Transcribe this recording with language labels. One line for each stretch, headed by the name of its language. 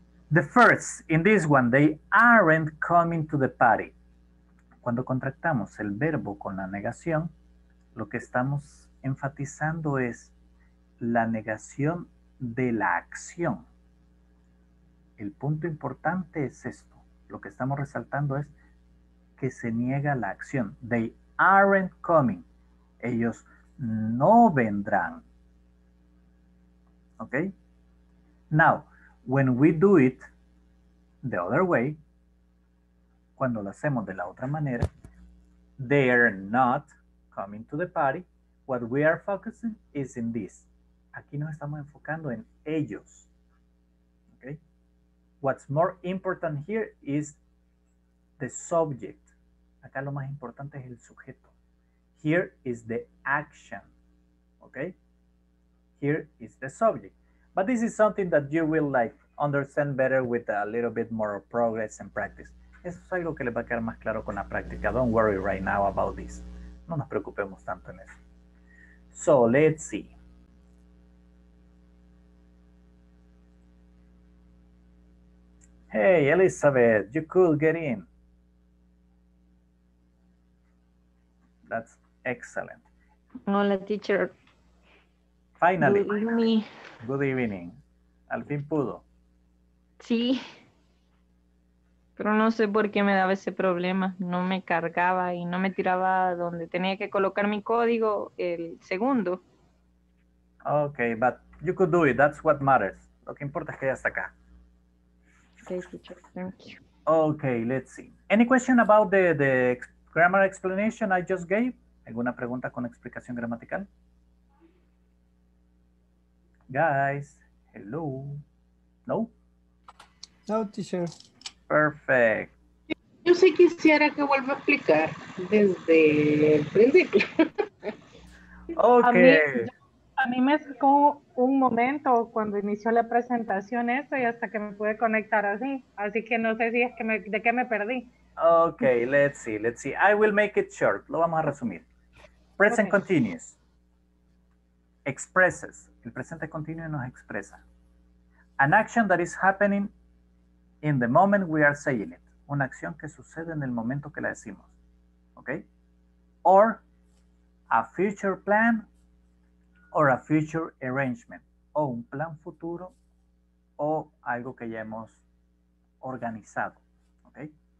English: The first, in this one, they aren't coming to the party.
Spanish: Cuando contractamos el verbo con la negación, lo que estamos enfatizando es la negación de la acción. El punto importante es esto. Lo que estamos resaltando es que se niega la acción.
English: They aren't coming.
Spanish: Ellos no vendrán.
English: Okay? Now, when we do it the other way,
Spanish: cuando lo hacemos de la otra manera,
English: they are not coming to the party. What we are focusing is in this.
Spanish: Aquí nos estamos enfocando en ellos.
English: Okay? What's more important here is the subject.
Spanish: Acá lo más importante es el sujeto.
English: Here is the action. Okay? Here is the subject. But this is something that you will like understand better with a little bit more progress and practice.
Spanish: Eso es algo que les va a quedar más claro con la práctica.
English: Don't worry right now about this.
Spanish: No nos preocupemos tanto en eso.
English: So let's see. Hey, Elizabeth, you could get in. That's excellent.
Spanish: Hola, teacher.
English: Finally. Good evening. Good evening.
Spanish: Al fin pudo. Sí. Pero no sé por qué me daba ese problema. No me cargaba y no me tiraba donde tenía que colocar mi código el segundo.
English: Okay, but you could do it. That's what matters.
Spanish: Lo que importa es que ya está acá.
English: Okay, teacher. Thank you. Okay, let's see. Any question about the grammar explanation I just gave?
Spanish: ¿Alguna pregunta con explicación gramatical?
English: Guys, hello. No? No, teacher. Perfect.
Spanish: Yo sí quisiera que vuelva a explicar desde el principio. Okay. A mí me sacó un momento cuando inició la presentación esto y hasta que me pude conectar así. Así que no sé si es que de qué me perdí.
English: Okay, let's see. I will make it short.
Spanish: Lo vamos a resumir.
English: Present okay. Continuous. Expresses.
Spanish: El presente continuo nos expresa.
English: An action that is happening in the moment we are saying it.
Spanish: Una acción que sucede en el momento que la decimos.
English: Okay? Or a future plan or a future arrangement.
Spanish: O un plan futuro o algo que ya hemos organizado. Okay?